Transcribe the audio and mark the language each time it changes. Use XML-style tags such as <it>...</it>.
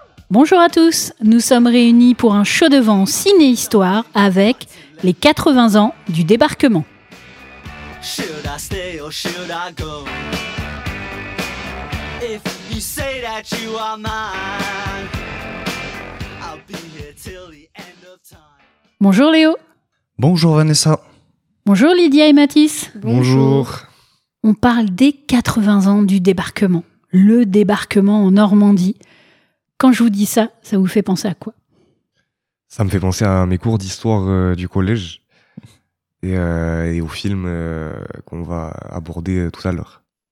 <fr>Bonjour à tous, nous sommes réunis pour un show devant ciné-histoire avec les 80 ans du débarquement.</fr> <en>Should I stay or should I go? If you say that you are mine, I'll be here till the end of time.</en> <fr>Bonjour Léo. Bonjour Vanessa. Bonjour Lydia et Mathis. Bonjour. On parle des 80 ans du débarquement, le débarquement en Normandie. Quand je vous dis ça, ça vous fait penser à quoi ? Ça me fait penser à mes cours d'histoire du collège et au film qu'on va aborder tout à l'heure.</fr>